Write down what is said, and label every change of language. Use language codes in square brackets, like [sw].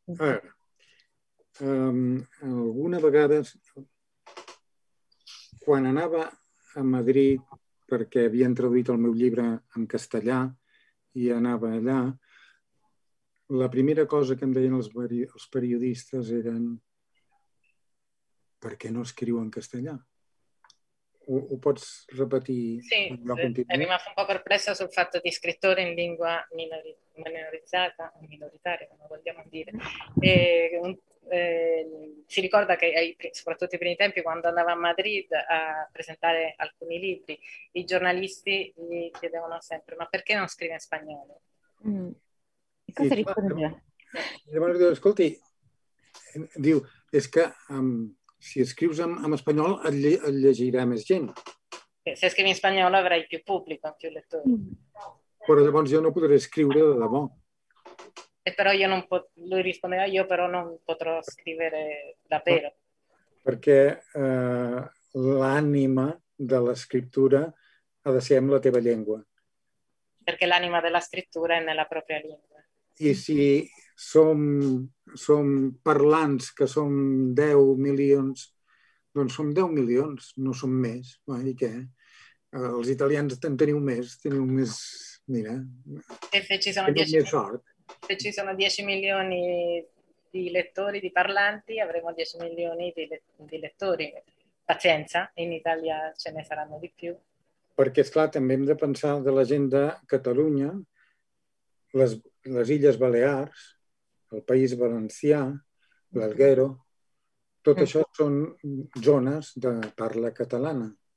[ca] A veure, alguna vegada, quan anava a Madrid, perquè havien traduït el meu llibre en castellà i anava allà, la primera cosa que em deien els periodistes eren: per què no escriu en castellà? Ho pots repetir? [it] Sì, è rimasto un po' perplesso sul fatto di scrittore in lingua minorizzata, minoritaria, come vogliamo dire. E, si ricorda che soprattutto ai primi tempi, quando andava a Madrid a presentare alcuni libri, i giornalisti gli chiedevano sempre: ma perché non scrive in spagnolo? Cosa rispondeva? Gli ascolti, [ca] diu, és que... si escrius en espanyol, et llegirà més gent. Si escrivi en espanyol, [it] avrai più pubblico, più lettori. [ca] Però llavors jo no podré escriure de debò. [it] Però io non lui rispondeva, io però non potrò scrivere davvero. [ca] Perquè l'ànima de l'escriptura ha de ser amb la teva llengua. Perquè l'ànima de l'escriptura [it] è nella propria llengua. [ca] I si... som parlants que som 10 milions, doncs som 10 milions, no som més. I què? Els italians en teniu més, mira. [it] Se ci sono 10 milioni di lettori, di parlanti, avremo 10 milioni di lettori. Pazienza, in Italia ce ne saranno di più. [ca] Perquè, esclar, també hem de pensar de la gent de Catalunya, les Illes Balears, el País Valencià, l'Alguero, tot això són zones de parla catalana.